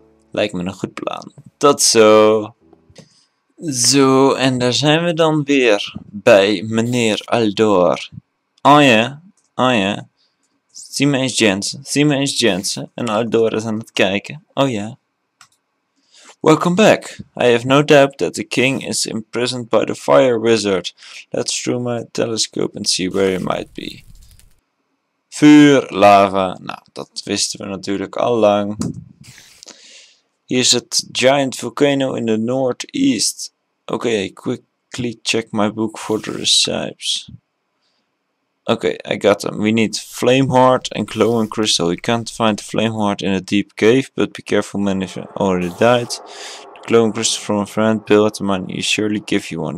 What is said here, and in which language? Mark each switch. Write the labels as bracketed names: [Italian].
[Dutch] Lijkt me een goed plan. Tot zo. Zo, en daar zijn we dan weer bij meneer Aldor. Oh ja. Zie me eens Jensen, En Aldor is aan het kijken. Oh ja. [English] Welcome back. I have no doubt that the king is imprisoned by the fire wizard. Let's throw my telescope and see where he might be. [Dutch] Vuur, lava, nou, dat wisten we natuurlijk al lang. Hier is het [English] giant volcano in the northeast. Okay, quickly check my book for the recipes. Okay, I got them. We need flame heart and glowing crystal. We can't find the flame heart in a deep cave, but be careful, man, if I already died. The glowing crystal from a friend, Bill at the mine, he surely give you one.